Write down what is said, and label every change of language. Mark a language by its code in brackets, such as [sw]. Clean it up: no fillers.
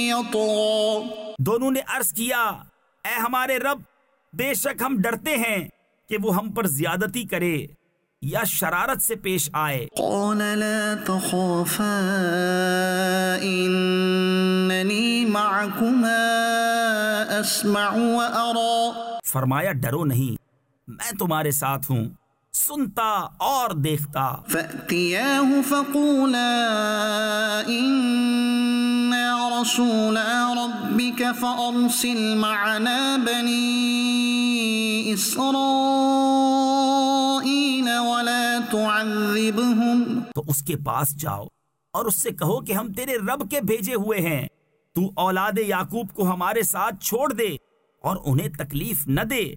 [ur] دونوں نے عرض کیا اے ہمارے رب بے شک ہم ڈرتے ہیں کہ وہ ہم پر زیادتی کرے یا شرارت سے پیش آئے [ar] قال لا تخافا اننی معکما اسمع وارا [ur] فرمایا ڈرو نہیں میں تمہارے ساتھ ہوں سنتا اور دیکھتا [ar] فأتياه فقولا إنا رسولا ربك فأرسل معنا بني إسرائيل و تعذبهم [ur] تو اس کے پاس جاؤ اور اس سے کہو کہ ہم تیرے رب کے بھیجے ہوئے ہیں، تو اولاد یعقوب کو ہمارے ساتھ چھوڑ دے اور انہیں تکلیف نہ دے۔